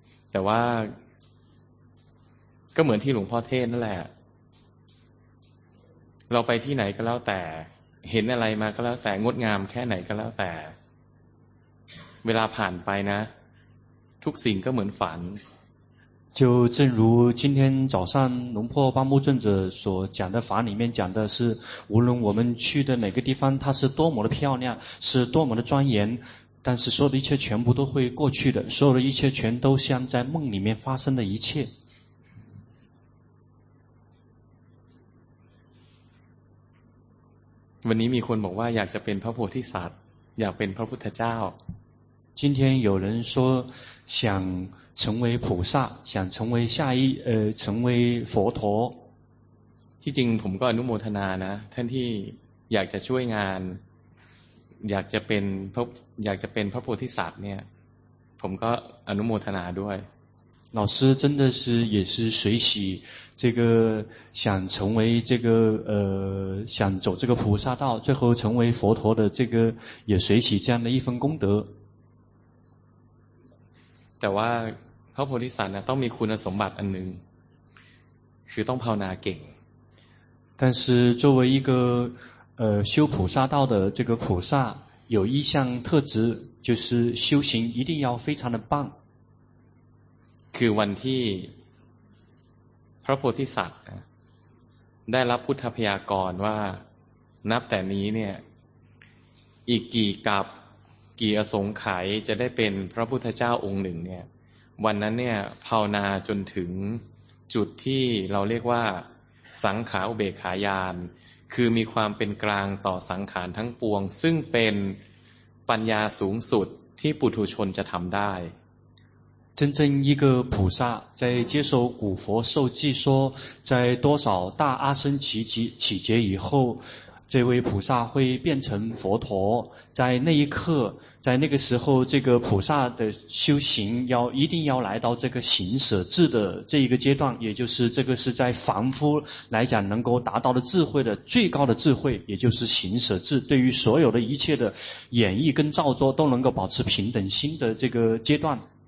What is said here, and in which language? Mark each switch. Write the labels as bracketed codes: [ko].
[th] แต่ว่าก็เหมือนที่หลวงพ่อเทศน์นั่นแหละเราไปที่ไหนก็แล้วแต่เห็นอะไรมาก็แล้วแต่งดงามแค่ไหนก็แล้วแต่เวลาผ่านไปนะทุกสิ่งก็เหมือนฝัน [zh] 就正如今天早上龙破巴木尊者所讲的法里面讲的是无论我们去的哪个地方它是多么的漂亮是多么的庄严但是所有的一切全部都会过去的所有的一切全都像在梦里面发生的一切 [th] วันนี้มีคนบอกว่าอยากจะเป็นพระโพธิสัตว์อยากเป็นพระพุทธเจ้า [zh] 今天有人说想成为菩萨想成为下一成为佛陀 [th] ที่จริงผมก็อนุโมทนานะท่านที่อยากจะช่วยงานอยากจะเป็นพระโพธิสัตว์เนี่ยผมก็อนุโมทนาด้วย [zh] 老师真的是也是随喜这个想成为这个想走这个菩萨道，最后成为佛陀的这个也随喜这样的一份功德。 [th] แต่ว่าพระโพธิสัตว์นะต้องมีคุณสมบัติอันหนึ่งคือต้องภาวนาเก่ง。 [zh] 但是作为一个修菩萨道的这个菩萨，有一项特质就是修行一定要非常的棒。 [th] คือวันที่พระโพธิสัตว์ได้รับพุทธพยากรว่านับแต่นี้เนี่ยอีกกี่กับกี่อสงไขยจะได้เป็นพระพุทธเจ้าองค์หนึ่งเนี่ยวันนั้นเนี่ยภาวนาจนถึงจุดที่เราเรียกว่าสังขารอุเบกขาญาณคือมีความเป็นกลางต่อสังขารทั้งปวงซึ่งเป็นปัญญาสูงสุดที่ปุถุชนจะทำได้ [zh] 真正一个菩萨在接受古佛授记说在多少大阿僧祇劫以后，这位菩萨会变成佛陀，在那一刻，在那个时候，这个菩萨的修行要一定要来到这个行舍智的这一个阶段，也就是这个是在凡夫来讲能够达到的智慧的最高的智慧，也就是行舍智，对于所有的一切的演绎跟造作都能够保持平等心的这个阶段。